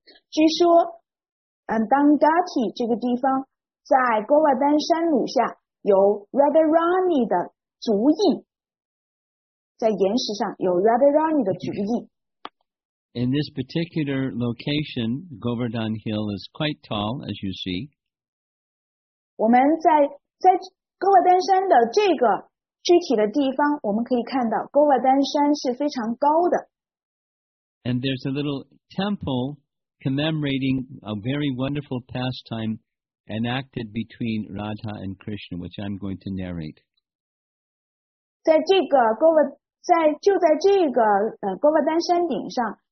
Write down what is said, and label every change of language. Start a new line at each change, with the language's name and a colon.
Chinese: 据说 Dan Gati 这个地方在 Govardhan 山路下有 Radharani 的足印。在岩石上有 Radharani 的足印。
English: In this particular location, Govardhan Hill is quite tall, as you see.
Chinese: 我们在戈瓦丹山的这个具体的地方，我们可以看到戈瓦丹山是非常高的。
English: And there's a little temple commemorating a very wonderful pastime enacted between Radha and Krishna, which I'm going to narrate.
Chinese: 在戈瓦丹山顶上。